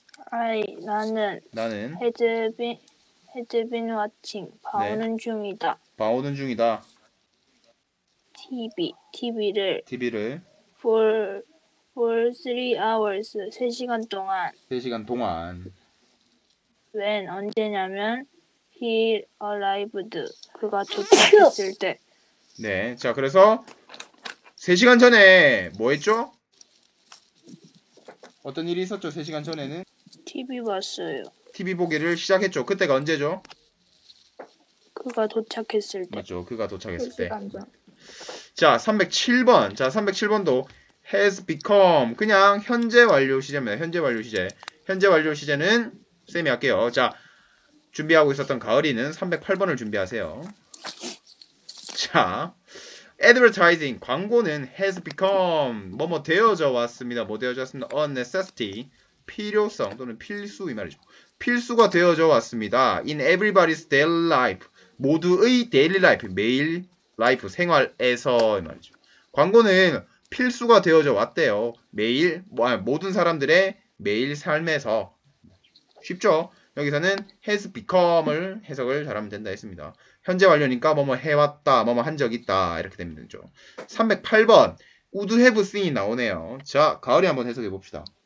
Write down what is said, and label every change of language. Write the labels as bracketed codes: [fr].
[ko] 아이, 나는 나는 [en] Had been watching. [ko] 네. 봐오는 중이다. 봐오는 중이다. TV를 TV를 [en] for 3 hours, [ko] 3시간 동안. 3시간 동안 [en] When, [ko] 언제냐면 [en] he arrived. [ko] 그가 도착했을 때. 네. 자, 그래서 3시간 전에 뭐 했죠? 어떤 일이 있었죠? 3시간 전에는 TV 봤어요. TV 보기를 시작했죠. 그때가 언제죠? 그가 도착했을 때. 맞죠. 그가 도착했을 때. 3시간 전. 자, 307번. 자, 307번도 has become 그냥 현재 완료 시제입니다. 현재 완료 시제. 현재 완료 시제는 쌤이 할게요. 자, 준비하고 있었던 가을이는 308번을 준비하세요. 자, advertising 광고는 [en] has become [ko] 뭐뭐 되어져 왔습니다. 뭐 되어져 왔습니다. [en] a necessity [ko] 필요성 또는 필수 이 말이죠. 필수가 되어져 왔습니다. [en] in everybody's daily life [ko] 모두의 [en] daily life [ko] 매일 라이프 생활에서 말이죠. 광고는 필수가 되어져 왔대요. 매일 모든 사람들의 매일 삶에서 쉽죠? 여기서는 has become을 해석을 잘하면 된다 했습니다. 현재 완료니까 뭐뭐 해왔다, 뭐뭐 한적 있다 이렇게 되면 되죠. 308번 would have seen이 나오네요. 자, 가을이 한번 해석해 봅시다.